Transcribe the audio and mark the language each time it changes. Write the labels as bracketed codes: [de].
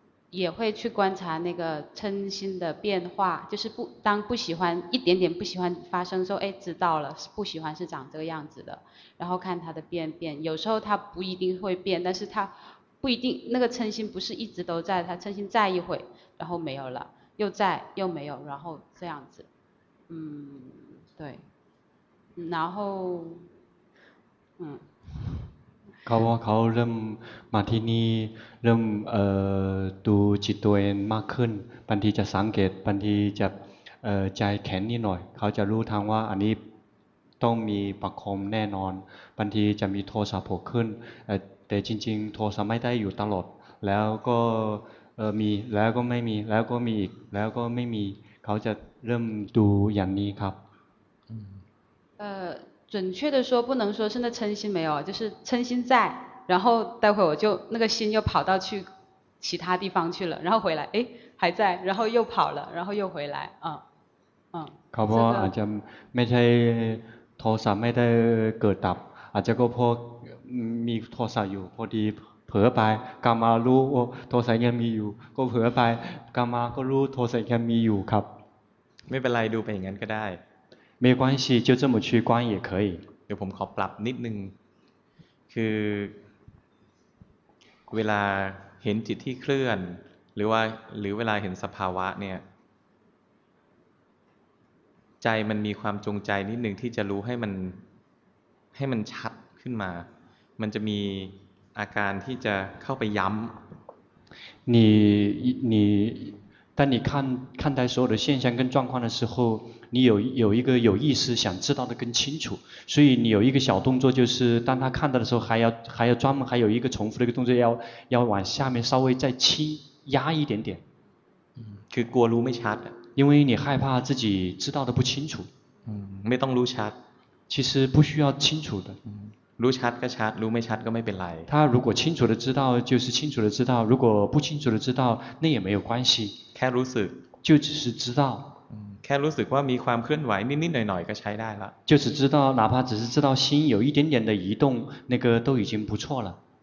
[zh] 也会去观察那个嗔心的变化就是不当不喜欢一点点不喜欢发生的时候知道了不喜欢是长这个样子的然后看它的变有时候它不一定会变但是它不一定那个嗔心不是一直都在它嗔心在一会然后没有了又在又没有然后这样子对然后 [th] เขาเริ่มมาที่นี่เริ่มดูจิตตัวเองมากขึ้นบางทีจะสังเกตบางทีจะใจแข็งนิดหน่อยเขาจะรู้ทางว่าอันนี้ต้องมีประคมแน่นอนบางทีจะมีโทสะโผล่ขึ้นแต่จริงๆโทสะไม่ได้อยู่ตลอดแล้วก็มีแล้วก็ไม่มีแล้วก็มีอีกแล้วก็ไม่มีเขาจะเริ่มดูอย่างนี้ครับ [zh] 准确的说不能说是那嗔心没有就是嗔心在然后待会我就那个心又跑到去其他地方去了然后回来还在然后又跑了然后又回来 [th] เขาบอกอาจจะไม่ใช่โทรศัพท์ไม่ได้เกิดดับอาจจะก็พอมีโทรศัพท์อยู่พอดีเผลอไปกลับมารู้โทรศัพท์ยังมีอยู่ก็เผลอไปกลับมาก็รู้โทรศัพท์ยังมีอยู่ครับ ไม่เป็นไรดูไปอย่างนั้นก็ได้ [zh] 没关系就这么去观也可以 [th] เดี๋ยวผมขอปรับนิดนึงคือเวลาเห็นจิตที่เคลื่อนหรือว่าหรือเวลาเห็นสภาวะเนี่ย ใจมันมีความจงใจนิดนึงที่จะรู้ให้มันชัดขึ้นมามันจะมีอาการที่จะเข้าไปย้ำ [zh] 你当你看待所有的现象跟状况的时候，你有一个有意识想知道的更清楚，所以你有一个小动作，就是当他看到的时候，还要专门还有一个重复的一个动作，要往下面稍微再轻压一点点。 [th] 嗯，คือกลัวรู้ไม่ชัด， [zh] 因为你害怕自己知道的不清楚。 [th] 嗯，ไม่ต้องรู้ชัด， [zh] 其实不需要清楚的。 [th] รู้ชัดก็ชัดรู้ไม่ชัดก็ไม่เป็นไร。 [zh] 他如果清楚的知道就是清楚的知道，如果不清楚的知道那也没有关系。 [th] แค่รู้สึก [zh] 就只是知道。 [th] แค่รู้สึกว่ามีความเคลื่อนไหวนิดๆหน่อยๆก็ใช้ได้ละ。 [zh] 就只知道哪怕只是知道心有一点点的移动，那个都已经不错了。嗯，